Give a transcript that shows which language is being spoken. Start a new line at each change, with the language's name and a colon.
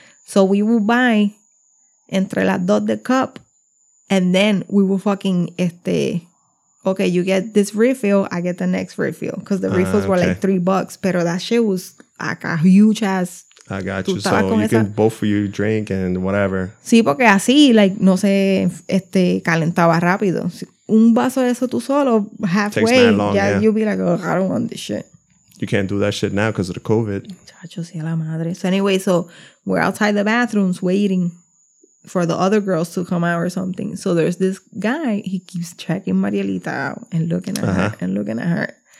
English: So we will buy
Spanish: entre las dos
English: the cup, and then we will fucking okay, you get this refill, I get the next refill. Because the refills were like $3, pero that shit was like a huge ass. I got you. So you can both of you drink and whatever.
Spanish: Sí, porque así, like, no se calentaba rápido. Un vaso de eso tú solo,
English: halfway, you'll be like, oh, I don't want this shit. You can't do that shit now because of the COVID.
Spanish: Chacho, sí, la madre.
English: So anyway, so we're outside the bathrooms waiting for the other girls to come out or something. So there's this guy, he keeps checking Marielita out and looking at her and looking at her.